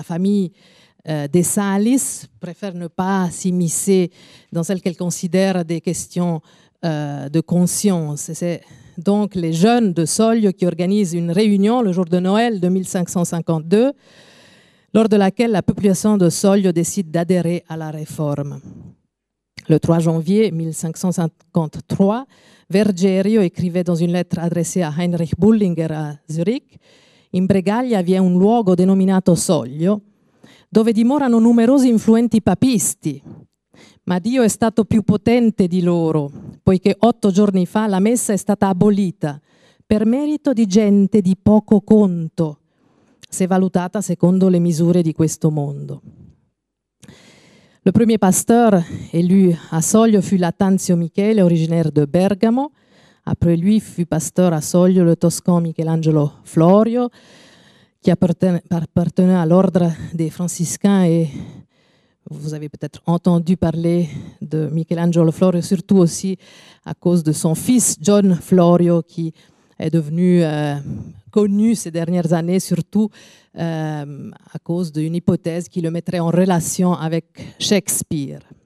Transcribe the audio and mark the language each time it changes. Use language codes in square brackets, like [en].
[fr] La famille des Salis préfère ne pas s'immiscer dans celles qu'elle considère des questions de conscience. C'est donc les jeunes de Soglio qui organisent une réunion le jour de Noël de 1552, lors de laquelle la population de Soglio décide d'adhérer à la réforme. Le 3 janvier 1553, Vergerio écrivait dans une lettre adressée à Heinrich Bullinger à Zurich: [it] «In Bregaglia vi è un luogo denominato Soglio, dove dimorano numerosi influenti papisti, ma Dio è stato più potente di loro, poiché 8 giorni fa la messa è stata abolita per merito di gente di poco conto, se valutata secondo le misure di questo mondo». [fr] Le premier pasteur élu à Soglio fut Lattanzio Michele, originaire de Bergamo. Après lui fut pasteur à Soglio le toscan Michelangelo Florio, qui appartenait à l'ordre des franciscains. Et vous avez peut-être entendu parler de Michelangelo Florio, surtout aussi à cause de son fils John Florio, qui est devenu connu ces dernières années, surtout à cause d'une hypothèse qui le mettrait en relation avec Shakespeare.